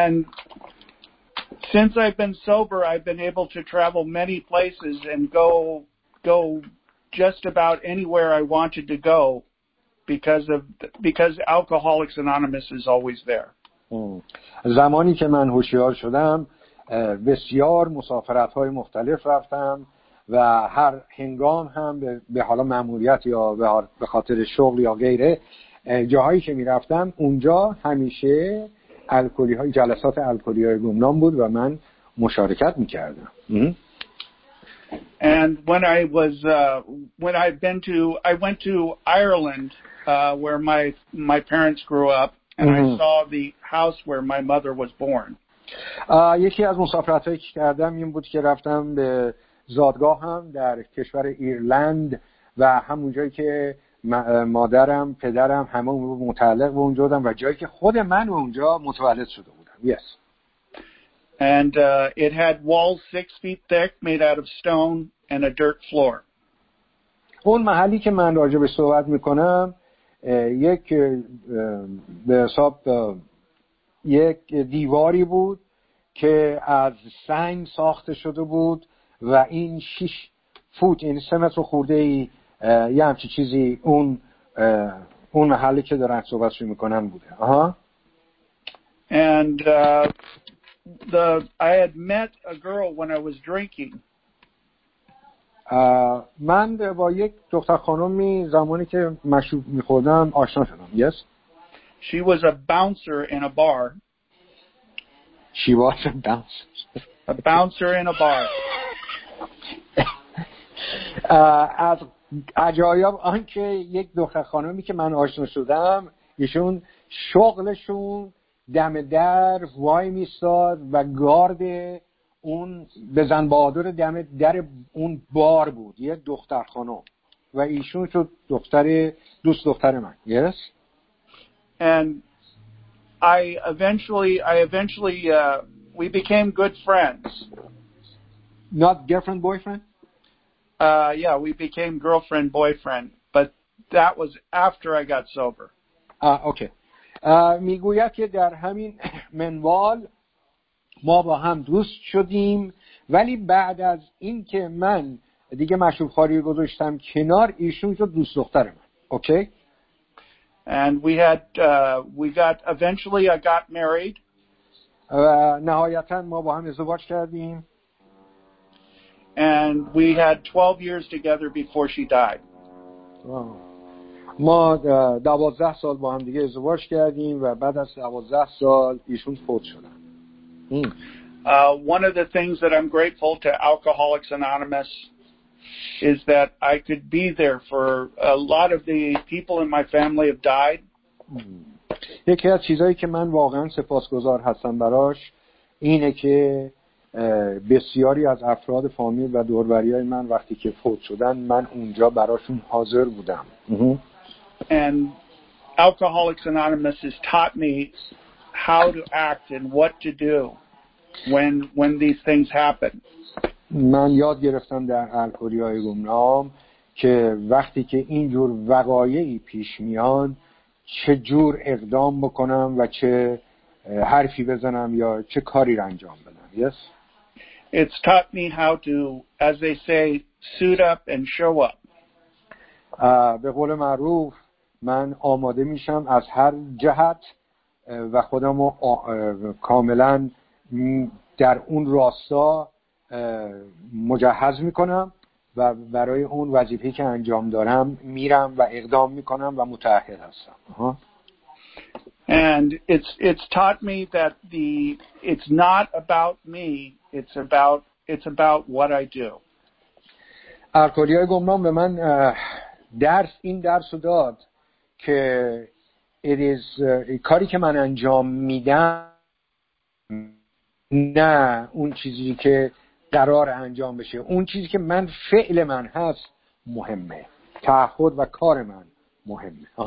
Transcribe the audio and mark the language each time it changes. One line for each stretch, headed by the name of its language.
English: And since I've been sober, I've been able to travel many places and go just about anywhere I wanted to go because Alcoholics Anonymous is always there.
Persian: زمانی که من هوشیار شدم، بسیار مسافرت‌های مختلف رفتم و هر هنگام هم به حالا مأموریت یا به خاطر شغل یا غیره جاهایی که می‌رفتم، اونجا همیشه الکلی‌های جلسات الکلی‌های گمنام بود و من مشارکت می‌کردم.
English: And when I was when I went to Ireland where my parents grew up and I saw the house where my mother was born.
Persian: یکی از مسافرت‌هایی که کردم این بود که رفتم به زادگاهم در کشور ایرلند و همون جایی که مادرم، پدرم همه اون رو متعلق به اونجا بودن و جایی که خود من اونجا متولد شده بودم.
English: Yes. And it had walls 6 feet thick made out of stone and a dirt floor.
Persian: اون محلی که من راجع به صحبت می‌کنم یک به حساب یک دیواری بود که از سنگ ساخته شده بود و این 6 فوت یعنی 3 متر خورده ای یه همچی چیزی اون محلی که دارن صحبت شوی میکنن بوده.
English: And I had met a girl when I was drinking.
Persian: من با یک دختر خانمی زمانی که مشروب میخوردم آشنا شدم.
English: Yes. She was a bouncer in a bar. She was a bouncer. A bouncer in a bar.
Persian: از عجایب آن که یک دختر خانمی که من آشنا شدم، ایشون شغلشون دم در وای میستاد و گارد اون بزن بادر دم در اون بار بود. یه دختر خانم و ایشون شد دختر دوست دختر من.
English: Yes. And I eventually we became good friends. Not girlfriend boyfriend? Yeah, we became girlfriend boyfriend, but that was after I got sober. Okay.
Persian: میگوید که در همین منوال ما با هم دوست شدیم، ولی بعد از این که من دیگه مشروب خوری گذاشتم کنار، ایشون شد دوست دختر من.
English: Okay. And we had eventually I got married.
Persian: نهایتاً ما با هم ازدواج کردیم.
English: And we had 12 years together before she died.
Persian: ما 12 سال با هم دیگه ازدواج کردیم و بعد از 12 سال ایشون فوت شدن.
English: One of the things that I'm grateful to Alcoholics Anonymous is that I could be there for a lot of the people in my family have died.
Persian: یکی از چیزایی که من واقعا سپاسگزار هستم براش اینه که بسیاری از افراد فامیل و دوروریای من وقتی که فوت شدن من اونجا براشون حاضر بودم.
English: And Alcoholics Anonymous has taught me how to act and what to do when these things happen.
Persian: من یاد گرفتم در الکلی‌های گمنام که وقتی که این جور وقایعی پیش میان چه جور اقدام بکنم و چه حرفی بزنم یا چه کاری را انجام بدم.
English: Yes. It's taught me how to, as they say, suit up and show up.
Persian: به قول معروف من آماده میشم از هر جهت و خودم رو کاملا در اون راستا مجهز میکنم و برای اون وظیفه‌ای که انجام دارم میرم و اقدام میکنم و متعهد هستم.
English: And it's taught me that the it's not about me, it's about what I do.
Persian: الکلیای گمنام به من درس این درس رو داد که
English: it is
Persian: کاری که من انجام میدم نه اون چیزی که قرار انجام بشه، اون چیزی که من فعل من هست مهمه، تعهد و کار من مهمه.